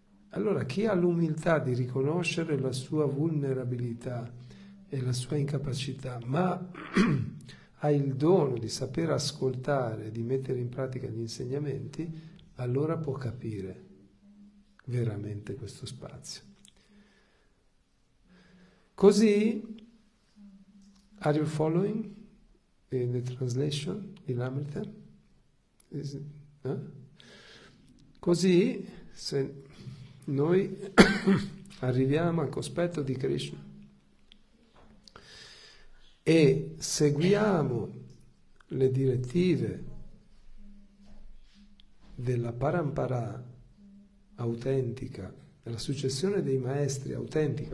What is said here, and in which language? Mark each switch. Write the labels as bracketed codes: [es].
[it] Allora, chi ha l'umiltà di riconoscere la sua vulnerabilità e la sua incapacità, ma ha il dono di saper ascoltare e di mettere in pratica gli insegnamenti, allora può capire veramente questo spazio. Così, [en] are you following in the translation in Hamilton? [it] Così, se noi arriviamo al cospetto di Krishna e seguiamo le direttive della parampara autentica, la successione dei maestri autentica.